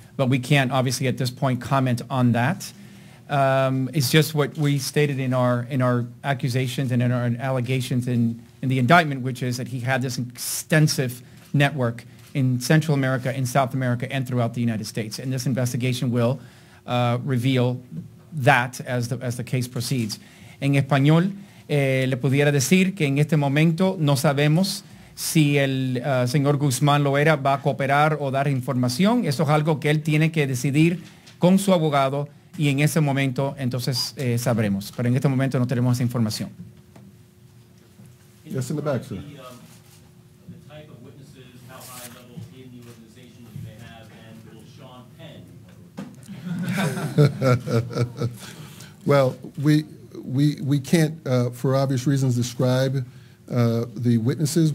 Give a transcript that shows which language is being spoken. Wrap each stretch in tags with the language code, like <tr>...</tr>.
<en>But we can't, obviously, at this point, comment on that. It's just what we stated in our accusations and in our allegations in the indictment, which is that he had this extensive network in Central America, in South America, and throughout the United States. And this investigation will reveal that as the case proceeds.</en> <es>En español, le pudiera decir que en este momento no sabemos si el señor Guzmán Loera va a cooperar o dar información. Eso es algo que él tiene que decidir con su abogado y en ese momento entonces sabremos. Pero en este momento no tenemos esa información.</es> <en>Yes, in the back, sir. The type of witnesses, how high level in the organization do they have, and will Sean Penn? Well, we can't, for obvious reasons, describe the witnesses.</en>